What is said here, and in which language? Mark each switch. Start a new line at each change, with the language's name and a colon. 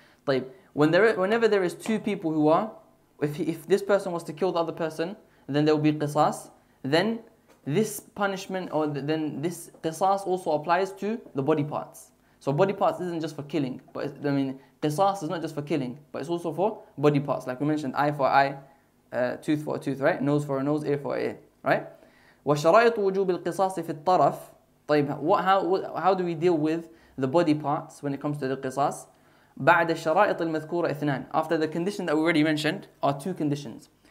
Arabic: طيب,
English: whenever there is two people who are, if this person was to kill the other person, then there will be qisas, then this punishment, then this qisas also applies to the body parts. So body parts isn't just for killing, but qisas is not just for killing, but it's also for body parts. Like we mentioned, eye for eye, tooth for a tooth, right? Nose for a nose, ear for ear, right?
Arabic: وشرائط وجوب القصاص في الطرف. طيب,
English: how do we deal with the body parts when it comes to the qisas?
Arabic: بعد الشرائط المذكورة اثنان.
English: After the condition that we already mentioned are two conditions.